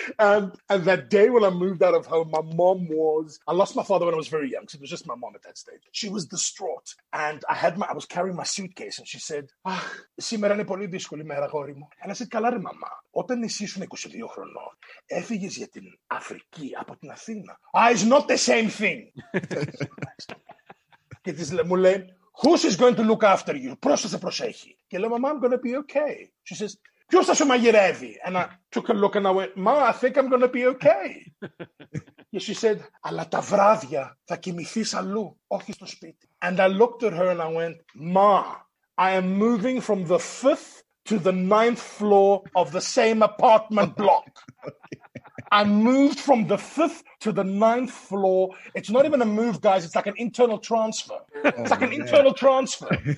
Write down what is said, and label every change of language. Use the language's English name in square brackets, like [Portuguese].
[English] And that day when I moved out of home, my mom was, I lost my father when I was very young. So it was just my mom at that stage. She was distraught. And I was carrying my suitcase. And she said, [Greek] σήμερα είναι πολύ δύσκολη μέρα, γόρι μου. [English] And I said, [Greek] καλά ρε μαμά. Όταν εσύ ήσουν 22 χρονών, έφυγες για την Αφρική από την Αθήνα. [English] It's not the same thing. [Greek] Και της μου λέει, [English] who's is going to look after you? [Greek] Πρόσθεσε προσέχει. Και λέω, μαμά, [English] I'm going to be okay. She says, [Greek] ποιος θα σου μαγειρεύει? [English] And I took a look and I went, Ma, I think I'm going to be okay. And she said, [Greek] αλλά τα βράδια θα κοιμηθείς αλλού, όχι στο σπίτι. [English] And I looked at her and I went, Ma, I am moving from the 5th to the 9th floor of the same apartment block. I moved from the 5th to the 9th floor. It's not even a move, guys. It's like an internal transfer. Internal transfer.